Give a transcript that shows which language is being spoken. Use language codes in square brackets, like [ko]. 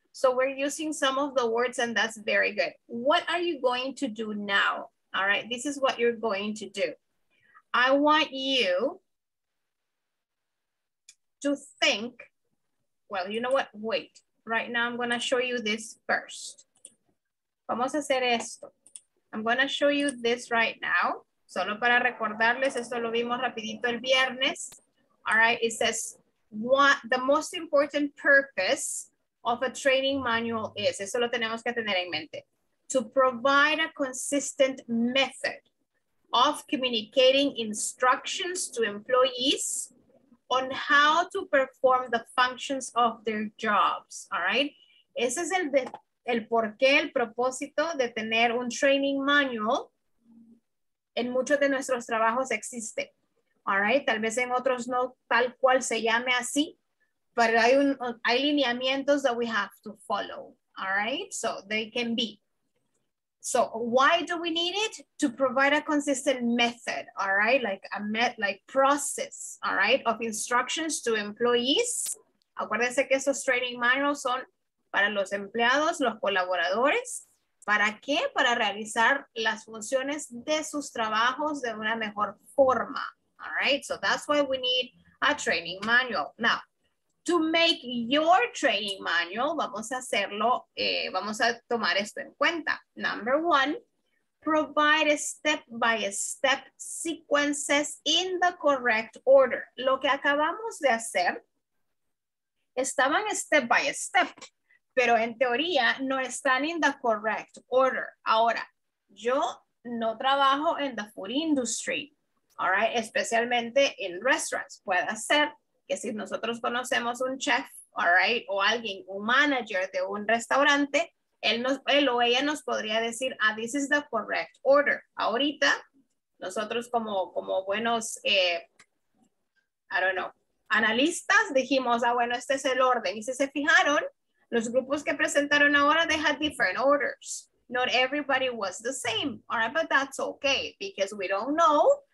[en] So we're using some of the words and that's very good. What are you going to do now? All right, this is what you're going to do. I want you to think, well, you know what? Wait, right now I'm gonna show you this first. [es] Vamos a hacer esto. [en] I'm gonna show you this right now. [es] Solo para recordarles, esto lo vimos rapidito el viernes. [en] All right, it says, what the most important purpose of a training manual is. [es] Eso lo tenemos que tener en mente. [en] To provide a consistent method of communicating instructions to employees on how to perform the functions of their jobs, all right? [es] Ese es el porqué, el propósito de tener un training manual. En muchos de nuestros trabajos existe, [en] all right? [es] Tal vez en otros no tal cual se llame así, pero hay lineamientos [en] that we have to follow, all right? So they can be. So why do we need it? To provide a consistent method, all right? Like a process, all right? Of instructions to employees. [es] Acuérdense que esos training manuals son para los empleados, los colaboradores. ¿Para qué? Para realizar las funciones de sus trabajos de una mejor forma, [en] all right? So that's why we need a training manual. Now, to make your training manual, [es] vamos a hacerlo, vamos a tomar esto en cuenta. [en] Number one, provide step-by-step sequences in the correct order. [es] Lo que acabamos de hacer, estaban step-by-step, pero en teoría no están [en] in the correct order. [es] Ahora, yo no trabajo en [en] the food industry, [es] all right? Especialmente en restaurants, puede ser que si nosotros conocemos un chef, all right, o alguien, un manager de un restaurante, él o ella nos podría decir, ah, [en] this is the correct order. [es] Ahorita, nosotros como buenos, analistas, dijimos, ah, bueno, este es el orden. Y si se fijaron, los grupos que presentaron ahora, [en] they had different orders. Not everybody was the same, all right, but that's okay, because we don't know.